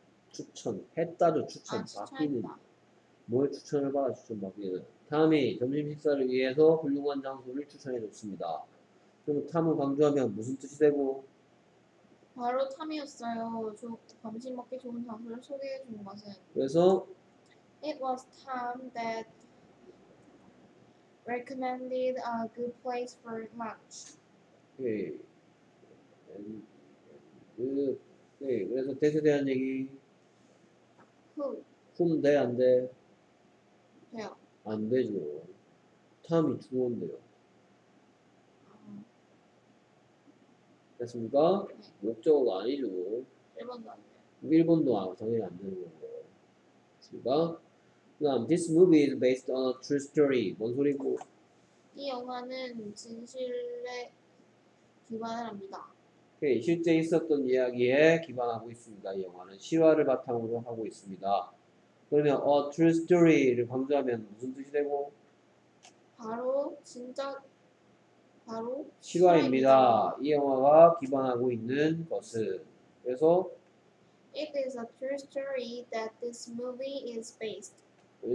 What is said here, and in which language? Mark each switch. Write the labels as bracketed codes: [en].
[ko] 추천했다도 추천받기는 아, 뭘 추천을 받아 추천받기는 탐이 점심 식사를 위해서 훌륭한 장소를 추천해줬습니다. 그럼 탐을 강조하면 무슨 뜻이 되고? 바로 탐이었어요. 저 점심 먹기 좋은 장소를 소개해준 것은 그래서 [en] It was Tom that recommended a good place for lunch. [ko] 오케이. 그래서 대세 대한 얘기 훔 돼 안 돼? 돼요. 안 되죠. 탐이 죽었네요. 됐습니까? 네. 목적어가 아니죠. 일본도 안 돼요. 일본도 당연히 안 되는 거예요. 됐습니까? 그럼 [en] this movie is based on a true story. [ko] 뭔 소리고? 이 영화는 진실에 기반을 합니다. 오케이. 실제 있었던 이야기에 기반하고 있습니다. 이 영화는 실화를 바탕으로 하고 있습니다. 그러면 a true story를 강조하면 무슨 뜻이 되고? 바로 진짜 바로 실화입니다. 이 영화가 기반하고 있는 것은 그래서 [en] It is a true story that this movie is based on.